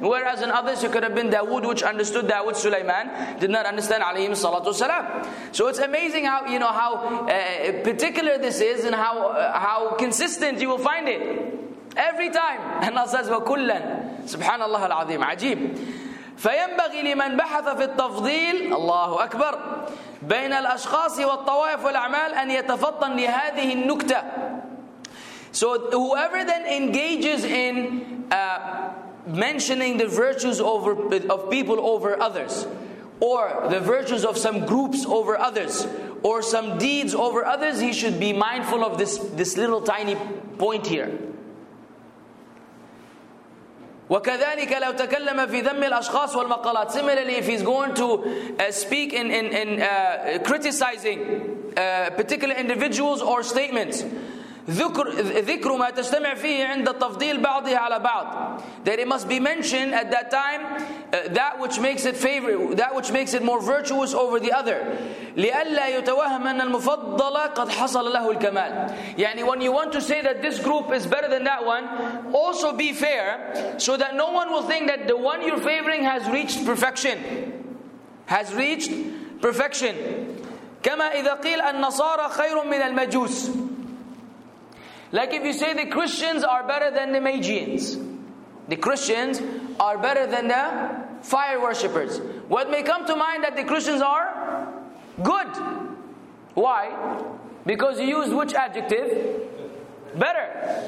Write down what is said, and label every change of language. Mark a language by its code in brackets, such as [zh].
[en] Whereas in others, it could have been Dawood, which understood Dawood. Sulaiman did not understand alayhi salatu salam. So it's amazing how, you know, how particular this is, and how consistent you will find it. Every time. And Allah says, وَكُلًّا. [ar] Subhanallah al-Azim. Ajeeb. فَيَنْبَغِي لِمَنْ بَحَثَ فِي التَّفْضِيلِ Allahu Akbar. بَيْنَ الْأَشْخَاصِ وَالطَّوَائِفُ وَالْأَعْمَالِ أَنْ يَتَفَطَّنْ لِهَذِهِ النُّكْتَةِ. [en] So whoever then engages in mentioning the virtues of people over others, or the virtues of some groups over others, or some deeds over others, he should be mindful of this little tiny point here. [ar] وكذلك لو تكلم في ذم الأشخاص والمقالات. [en] Similarly, if he's going to speak in criticizing particular individuals or statements, [ar] ذكر ما تجتمع فيه عند التفضيل بعضها على بعض, [en] that it must be mentioned at that time that which makes it favorite, that which makes it more virtuous over the other. [ar] لئلا يتوهم أن المفضلة قد حصل له الكمال. [en] يعني, when you want to say that this group is better than that one, also be fair so that no one will think that the one you're favoring has reached perfection. Has reached perfection. [ar] كما إذا قيل النصارى خير من المجوس. [en] Like if you say the Christians are better than the Magians. The Christians are better than the fire worshippers. What may come to mind that the Christians are good. Why? Because you use which adjective? Better.